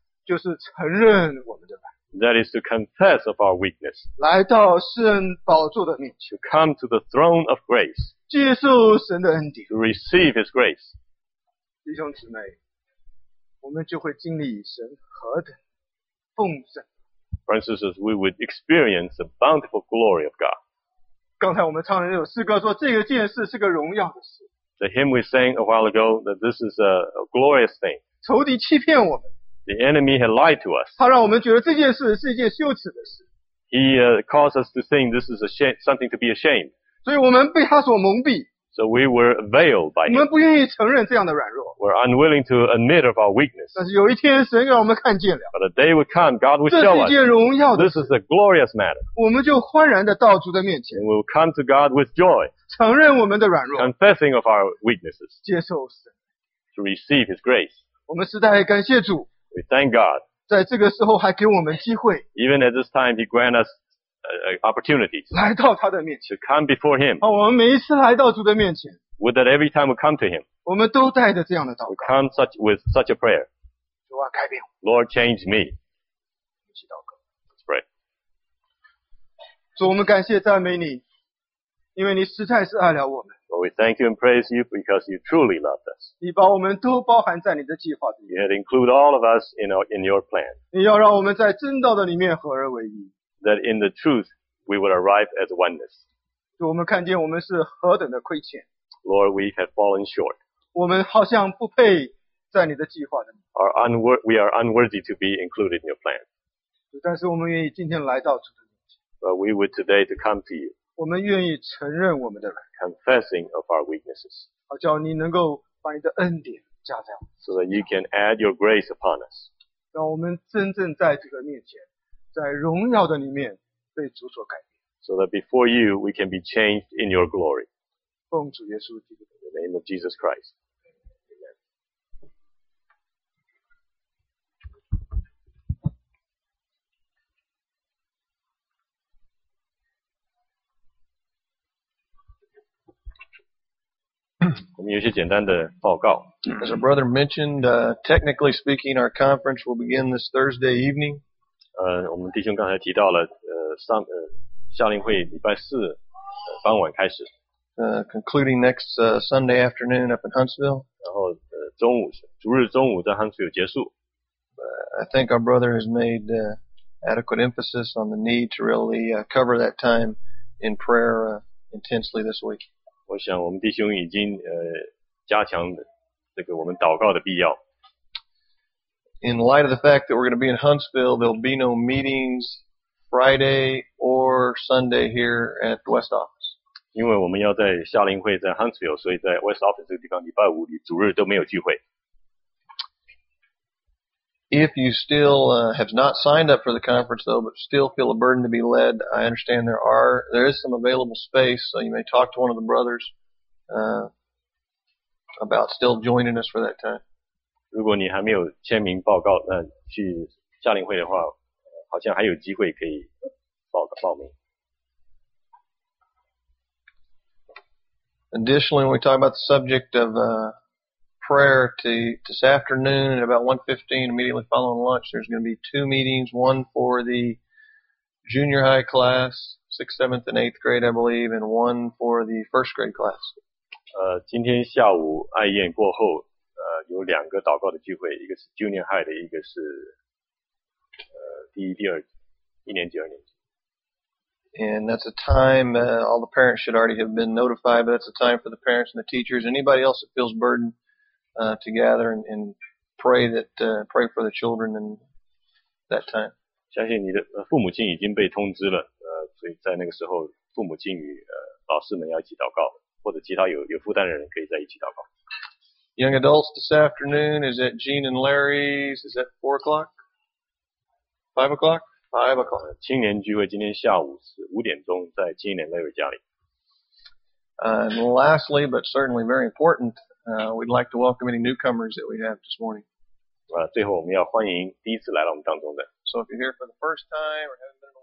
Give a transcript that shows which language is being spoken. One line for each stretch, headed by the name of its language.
Chinese: 就是承认我们的软弱。
English: That is to confess of our weakness，
Chinese: 来到施恩宝座的面前。
English: To come to the throne of grace，
Chinese: 接受神的恩典。
English: To receive His grace，
Chinese: 弟兄姊妹，我们就会经历神何等丰盛。
English: For instance, we would experience the bountiful glory of God.
Chinese: 刚才我们唱的那首诗歌说，这个件事是个荣耀的事。
English: The hymn we sang a while ago that this is a glorious thing.
Chinese: 仇敌欺骗我们。
English: The enemy had lied to us.
Chinese: 他让我们觉得这件事是一件羞耻的事。
English: He caused us to think this is something to be ashamed.
Chinese: 所以我们被他所蒙蔽。
English: So we were veiled by him.
Chinese: 我们不愿意承认这样的软弱。
English: We're unwilling to admit of our weakness.
Chinese: 但是有一天神让我们看见了。
English: But a day would come, God would show us.
Chinese: 这是一件荣耀的事。
English: This is a glorious matter.
Chinese: 我们就欢然地到主的面前。
English: We'll come to God with joy.
Chinese: 承认我们的软弱。
English: Confessing of our weaknesses.
Chinese: 接受神。
English: To receive His grace.
Chinese: 我们实在感谢主。
English: We thank God.
Chinese: 在这个时候还给我们机会。
English: Even at this time, He grant us opportunities.
Chinese: 来到他的面前。
English: To come before Him.
Chinese: 好，我们每一次来到主的面前。
English: With that every time we come to Him.
Chinese: 我们都带着这样的祷告。
English: We come such, with such a prayer.
Chinese: 主啊，改变我。
English: Lord, change me.
Chinese: 一起祷告。
English: Let's pray.
Chinese: 主，我们感谢赞美你，因为你实在是爱了我们。
English: Lord, we thank you and praise you because you truly loved us.
Chinese: 你把我们都包含在你的计划里。
English: You had include all of us in your plan.
Chinese: 你要让我们在真道的里面合而为一。
English: That in the truth, we would arrive as oneness.
Chinese: 主，我们看见我们是何等的亏欠。
English: Lord, we have fallen short.
Chinese: 我们好像不配在你的计划里。
English: We are unworthy to be included in your plan.
Chinese: 但是我们愿意今天来到主的面前。
English: But we would today to come to you.
Chinese: 我们愿意承认我们的软弱。
English: Confessing of our weaknesses.
Chinese: 好叫你能够把你的恩典加在我们。
English: So that you can add your grace upon us.
Chinese: 让我们真正在主的面前。在荣耀的里面被主所改变。
English: So that before you, we can be changed in your glory.
Chinese: 奉主耶稣基督的名。
English: In the name of Jesus Christ. Amen.
Chinese: 我们有些简单的报告。
English: As our brother mentioned, technically speaking, our conference will begin this Thursday evening.
Chinese: 我们弟兄刚才提到了，夏令会礼拜四傍晚开始。
English: Concluding next Sunday afternoon up in Huntsville.
Chinese: 然后中午，逐日中午在 Huntsville 结束。
English: I think our brother has made adequate emphasis on the need to really cover that time in prayer intensely this week.
Chinese: 我想我们弟兄已经加强这个我们祷告的必要。
English: In light of the fact that we're going to be in Huntsville, there'll be no meetings Friday or Sunday here at the West Office.
Chinese: 因为我们要在夏令会在 Huntsville, 所以在 West Office 这个地方礼拜五、主日都没有聚会。
English: If you still have not signed up for the conference, though, but still feel a burden to be led, I understand there is some available space, so you may talk to one of the brothers about still joining us for that time.
Chinese: 如果你还没有签名报告，那去夏令会的话，好像还有机会可以报名。
English: Additionally, when we talk about the subject of prayer this afternoon at about 1:15, immediately following lunch, there's going to be two meetings, one for the junior high class, 6th, 7th, and 8th grade, I believe, and one for the first grade class.
Chinese: 今天下午爱宴过后，有两个祷告的聚会，一个是 junior high 的，一个是一年级、二年级。
English: And that's a time, all the parents should already have been notified, but that's a time for the parents and the teachers. Anybody else that feels burdened, to gather and pray for the children in that time.
Chinese: 相信你的父母亲已经被通知了，所以在那个时候，父母亲与老师们要一起祷告，或者其他有负担的人可以在一起祷告。
English: Young adults this afternoon is at Gene and Larry's. Is that 4 o'clock? 5 o'clock? 5 o'clock.
Chinese: 青年聚会今天下午是5点钟在 Gene and Larry 家里。
English: And lastly, but certainly very important, we'd like to welcome any newcomers that we have this morning.
Chinese: 最后我们要欢迎第一次来到我们当中的。
English: So if you're here for the first time or having